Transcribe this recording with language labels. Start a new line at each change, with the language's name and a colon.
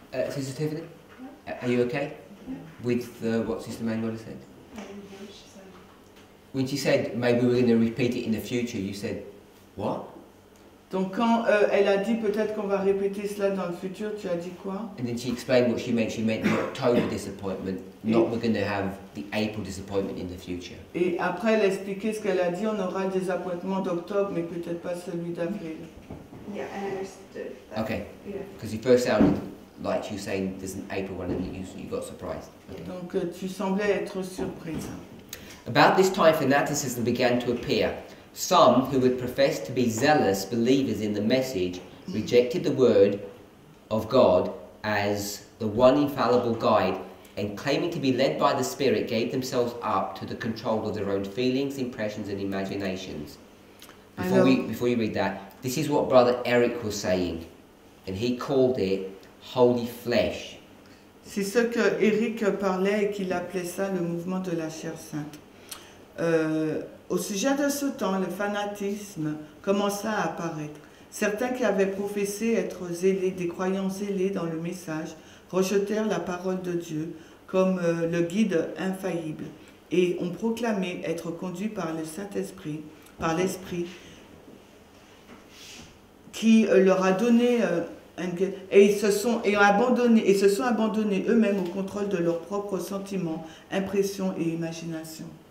English: Sister Tiffany, are you okay with what Sister Manuela said? When she said, maybe we're going to repeat it in the future, you said, what?
French: Donc quand elle a dit peut-être qu'on va répéter cela dans le futur, tu as dit quoi?
English: And then she explained what she meant. She meant the October disappointment, not we're going to have the April disappointment in the future.
French: Et après elle a expliqué ce qu'elle a dit, on aura le désappointement d'octobre, mais peut-être pas celui d'avril.
English: Yeah, I understood. Okay. Because you first sounded like you saying there's an April one and you got surprised.
French: Donc tu semblais être surprise.
English: About this time, fanaticism began to appear. Some who had professed to be zealous believers in the message rejected the word of God as the one infallible guide, and claiming to be led by the Spirit, gave themselves up to the control of their own feelings, impressions, and imaginations. Before you read that, this is what Brother Eric was saying, and he called it holy flesh.
French: C'est ce que Eric parlait et qu'il appelait ça le mouvement de la chair sainte. Au sujet de ce temps, le fanatisme commença à apparaître. Certains qui avaient professé être zélés, des croyants zélés dans le message, rejetèrent la parole de Dieu comme le guide infaillible et ont proclamé être conduits par le Saint-Esprit, par l'Esprit qui leur a donné et se sont abandonnés eux-mêmes au contrôle de leurs propres sentiments, impressions et imaginations.